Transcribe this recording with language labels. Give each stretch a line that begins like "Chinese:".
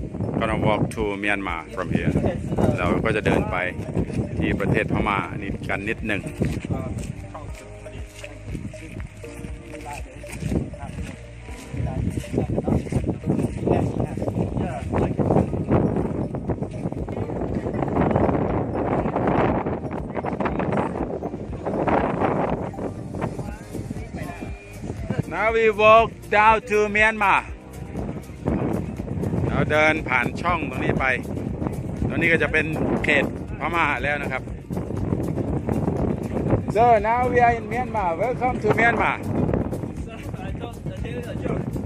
English: We're gonna walk to Myanmar from here.
Thai: เราก็จะเดินไปที่ประเทศพม่านี่กันนิดหนึ่ง
English: Now we walk down to Myanmar.
Thai: เราเดินผ่านช่องตรงนี้ไปตรงนี้ก็จะเป็นเขตพม่าแล้วนะครับ
English: So now we are in Myanmar. Welcome to Myanmar. Sir, I thought I tell you a joke.